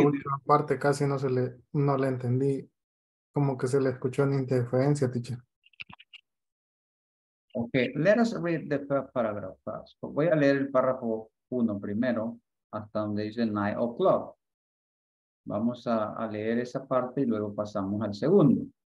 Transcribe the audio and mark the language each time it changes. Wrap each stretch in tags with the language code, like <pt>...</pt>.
<es>La última parte casi no se le, no le entendí. Como que se le escuchó una interferencia, teacher.</es> <en>Okay, let us read the first paragraph first.</en> <es>Voy a leer el párrafo uno primero, hasta donde dice</es> <en>9 o'clock.</en> <es>Vamos a leer esa parte y luego pasamos al segundo.</es>